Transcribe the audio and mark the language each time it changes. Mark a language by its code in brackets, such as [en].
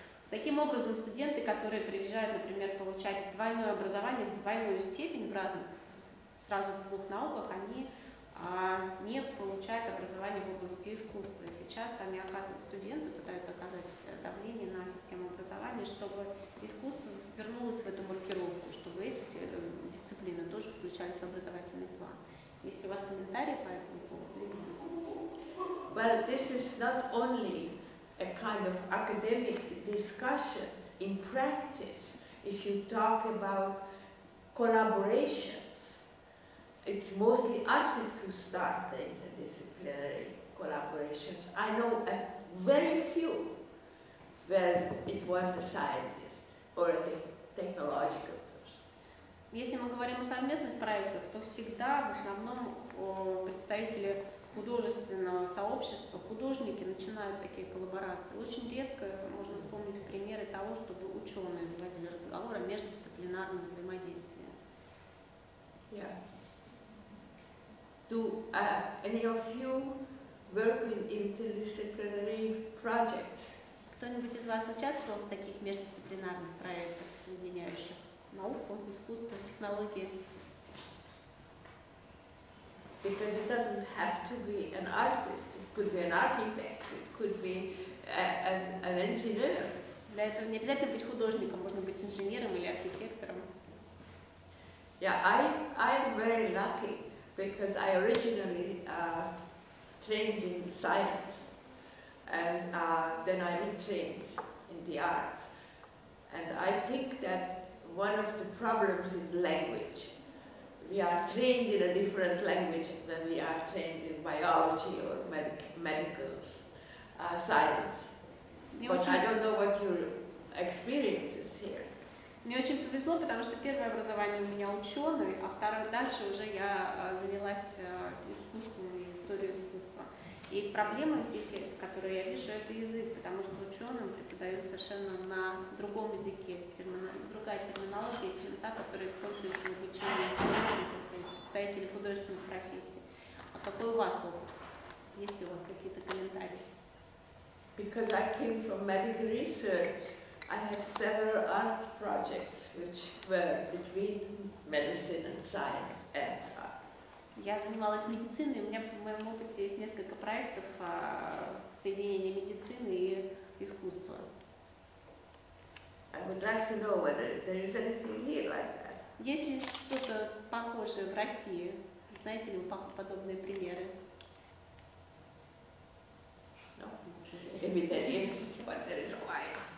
[ru] Таким образом, студенты, которые приезжают, например, получать двойное образование, двойную степень в разных, сразу в двух науках, они не получают образование в области искусства. Сейчас они оказывают, студенты пытаются оказать давление на систему образования, чтобы искусство вернулось в эту маркировку, чтобы эти дисциплины тоже включались в образовательный план. Если у вас комментарии по этому поводу? [en] Well, this is not only a kind of academic discussion in practice. If you talk about collaborations, it's mostly artists who start the interdisciplinary collaborations. I know very few where it was a scientist or a technological person. [ru] Если мы говорим о совместных проектах, то всегда в основном представители художественного сообщества, художники начинают такие коллаборации. Очень редко можно вспомнить примеры того, чтобы ученые заводили разговор о междисциплинарном взаимодействии. [en] Yeah. Do any of you work in interdisciplinary projects? [ru] Кто-нибудь из вас участвовал в таких междисциплинарных проектах, соединяющих науку, искусство, технологии? [en] Because it doesn't have to be an artist. It could be an architect. It could be an engineer. [ru] Для этого не обязательно быть художником, можно быть инженером или архитектором. [en] Yeah, I am very lucky because I originally trained in science, and then I retrained in the arts. And I think that one of the problems is language. We are trained in a different language than we are trained in biology or medical science. But I don't know what your experience is here. [ru] Мне очень повезло, потому что первое образование у меня ученый, а второе дальше уже я занялась искусством и историей искусства. И проблема здесь, которую я вижу, это язык, потому что ученым преподают совершенно на другом языке, другая терминология, чем та, которая используется в обучении представителей художественных профессий. А какой у вас опыт? Есть ли у вас какие-то комментарии? [en] Because I came from medical research, I had several art projects, which were between medicine and science and art. [ru] Я занималась медициной, у меня в моем опыте есть несколько проектов соединения медицины и искусства. [en] I would like to know whether there is anything here like that. [ru] Есть ли что-то похожее в России? Знаете ли вы подобные примеры? [en] No, maybe there is, but there is quite.